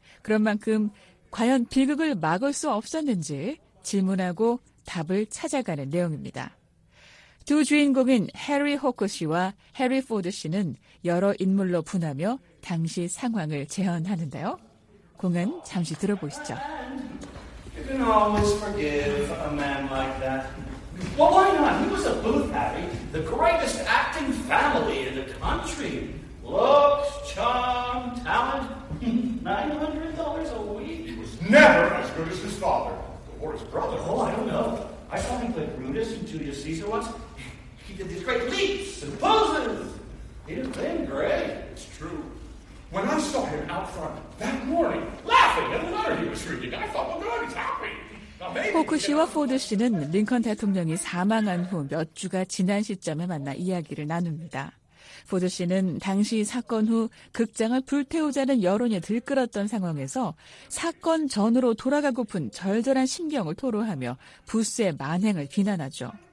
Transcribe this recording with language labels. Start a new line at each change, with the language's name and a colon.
Korean: 그런 만큼 과연 비극을 막을 수 없었는지 질문하고 답을 찾아가는 내용입니다. 두 주인공인 해리 호크 씨와 해리 포드 씨는 여러 인물로 분하며 당시 상황을 재현하는데요. 공연 잠시 들어보시죠.
English: You can always forgive a man like that. Well, why not? He was a Booth, Harry. The greatest acting family in the country. Looks, charm, talent. $900 a week. He was never as good as his father. Or his brother. Oh, I don't know. I saw him play Brutus in Julius Caesar once. He did these great leaps and poses. He didn't think great. It's true. When I saw him out front that morning, laughing at the letter he was reading, I thought, well, good, he's happy.
Korean: 호크 씨와 포드 씨는 링컨 대통령이 사망한 후 몇 주가 지난 시점에 만나 이야기를 나눕니다. 포드 씨는 당시 사건 후 극장을 불태우자는 여론이 들끓었던 상황에서 사건 전으로 돌아가고픈 절절한 심경을 토로하며 부스의 만행을 비난하죠.